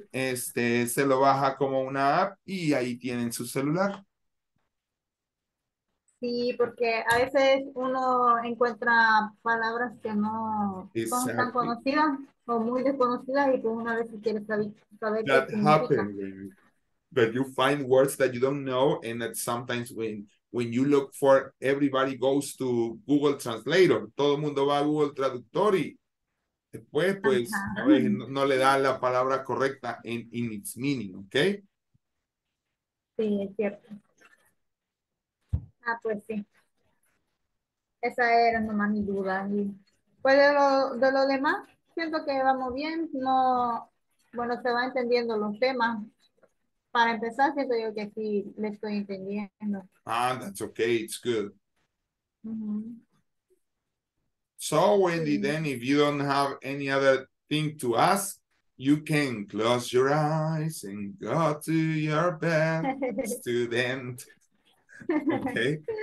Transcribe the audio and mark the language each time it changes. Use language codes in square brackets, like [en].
[es] Y este se lo baja como una app y ahí tienen su celular. Sí, porque a veces uno encuentra palabras que no son tan conocidas. O muy desconocida y pues una vez si quieres saber that qué happened, significa. [en] But you find words that you don't know and that sometimes when you look for, everybody goes to Google Translator. [es] Todo el mundo va a Google Traductor y después pues a ver, no le da la palabra correcta [en] in its meaning, [es] ¿ok? Sí, es cierto. Ah, pues sí. Esa era nomás mi duda. Y pues de lo demás, siento que vamos bien. No, bueno, se va entendiendo los temas. Para empezar, siento yo que sí le estoy entendiendo. [en] Ah, that's okay. It's good. Mm-hmm. So, Wendy, then if you don't have any other thing to ask, you can close your eyes and go to your bed, student. Okay.